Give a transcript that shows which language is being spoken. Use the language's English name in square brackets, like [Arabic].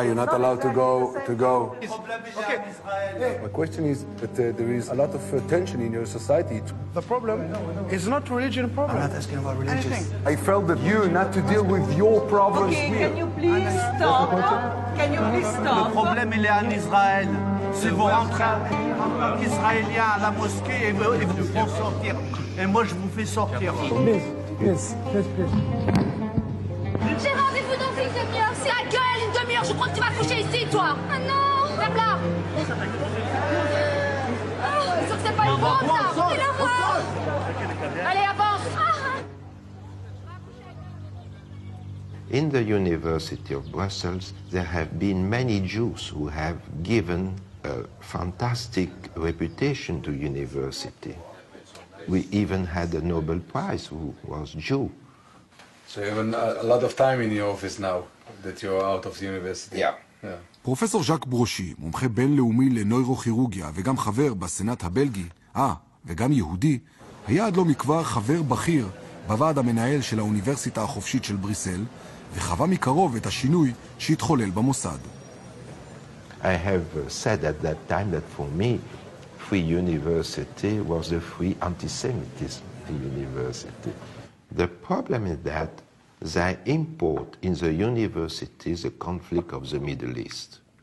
[English] you're not allowed exactly to go. Okay. Yeah. My question is that there is a lot of tension in your society. The problem is not religion problem. I'm not asking about religious. Anything. I felt that you not to deal with your problems. Okay, here. Can you please stop? Can you please stop? [French] Le problème il est en Israël. Si vous rentrez israélien à la mosquée et vous faut sortir, et moi je vous fais sortir. [English] Yes, [French] j'ai rendez-vous dans une demi-heure. C'est la gueule, une demi-heure. Je crois que tu vas coucher ici, toi. Ah non. Ferme là. C'est sûr que c'est pas une bombe, là. C'est l'horreur. Allez, avance. [English] In the University of Brussels, there have been many Jews who have given a fantastic reputation to university. We even had a Nobel Prize who was Jew. So you have a lot of time in your office now that you're out of the university. Yeah. [Hebrew] פרופסור ז'אק ברושי, מומחה בינלאומי לנוירוכירורגיה וגם חבר בסנאט הבלגי, וגם יהודי, היה עד לא מכבר חבר בכיר בוועד המנהל של האוניברסיטה החופשית של בריסל, וחווה מקרוב את השינוי שהתחולל במוסד. [English] I have said at that time that for me, free university was a free anti-Semitism university. The problem is that they import in the universities the conflict of the Middle East.